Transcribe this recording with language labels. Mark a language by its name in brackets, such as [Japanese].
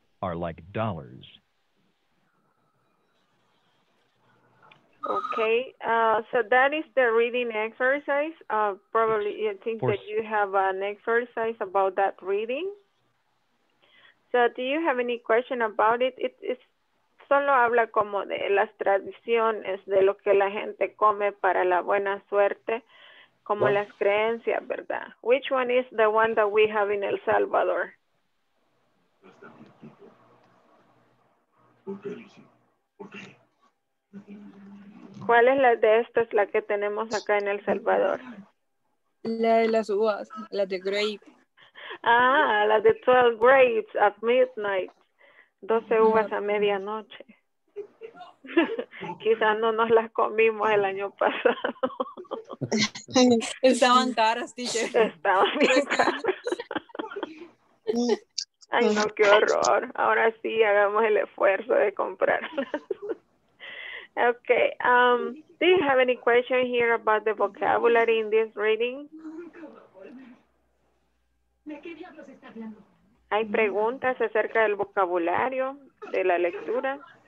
[English] are like dollars. Okay, so that is the reading exercise. Probably I think that you have an exercise about that reading. So do you have any question about it? It is [Spanish] solo habla como de las tradiciones, de lo que la gente come para la buena suerte, como yeah. las creencias, ¿verdad? [English] Which one is the one that we have in El Salvador? [Spanish] ¿Cuál es la de estas, la que tenemos acá en El Salvador? La de las uvas, la de grapes. Ah, la de 12 [English] grapes at midnight. [Spanish] 12 uvas a medianoche. Quizás no nos las comimos el año pasado. Estaban caras, teacher. Estaban bien caras. Ay, no, qué horror. Ahora sí, hagamos el esfuerzo de comprarlas. Okay. [English] Do you have any question here about the vocabulary in this reading? [Spanish] ¿Hay preguntas acerca del vocabulario de la lectura?